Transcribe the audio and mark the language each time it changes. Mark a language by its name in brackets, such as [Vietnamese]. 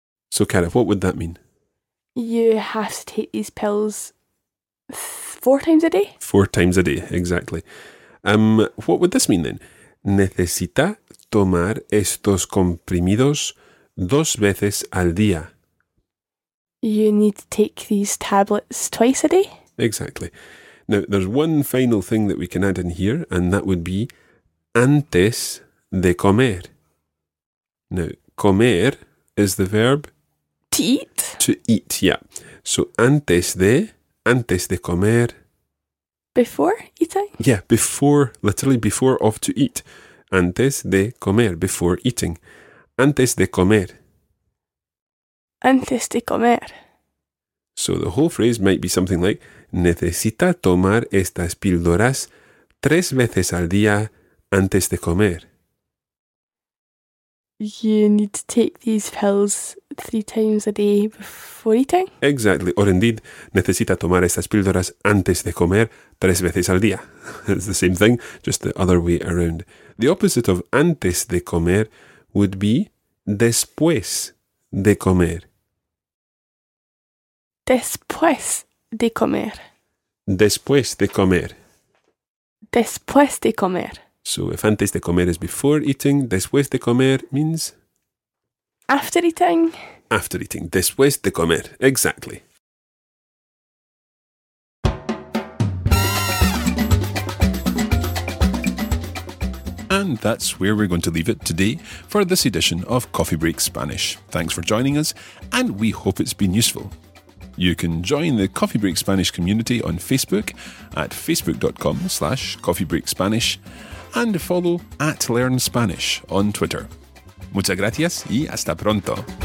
[English] So, Kenneth, what would that mean? You have to take these pills 4 times a day? 4 times a day, exactly. What would this mean then? [Spanish] Necesita tomar estos comprimidos 2 veces al día. [English] You need to take these tablets 2 times a day? Exactly. Now, there's one final thing that we can add in here, and that would be antes de comer. Now, comer is the verb... To eat. To eat, yeah. So, [Spanish] antes de comer... [English] Before eating? Yeah, before, literally before of to eat. [Spanish] Antes de comer, [English] before eating. [Spanish] Antes de comer. Antes de comer. [English] So the whole phrase might be something like, [Spanish] necesita tomar estas píldoras 3 veces al día antes de comer. [English] You need to take these pills 3 times a day before eating. Exactly. Or indeed, [Spanish] necesita tomar estas píldoras antes de comer 3 veces al día. [English] It's the same thing, just the other way around. The opposite of [Spanish] antes de comer [English] would be [Spanish] después de comer. Después de comer. Después de comer. Después de comer. [English] So if [Spanish] antes de comer [English] is before eating, [Spanish] después de comer [English] means? After eating. After eating. [Spanish] Después de comer. [English] Exactly. And that's where we're going to leave it today for this edition of Coffee Break Spanish. Thanks for joining us, and we hope it's been useful. You can join the Coffee Break Spanish community on Facebook at facebook.com/coffeebreakspanish and follow at Learn Spanish on Twitter. [Spanish] Muchas gracias y hasta pronto.